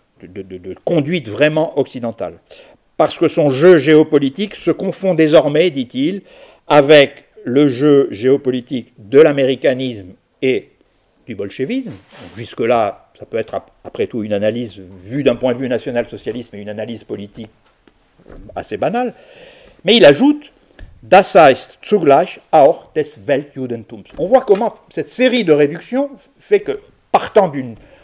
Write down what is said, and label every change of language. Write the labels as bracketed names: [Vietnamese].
[French] De conduite vraiment occidentale. Parce que son jeu géopolitique se confond désormais, dit-il, avec le jeu géopolitique de l'américanisme et du bolchevisme. Jusque-là, ça peut être après tout une analyse vue d'un point de vue national-socialiste, mais une analyse politique assez banale. Mais il ajoute [German] « Das heißt zugleich auch des Weltjudentums ». [French] On voit comment cette série de réductions fait que, partant d'une...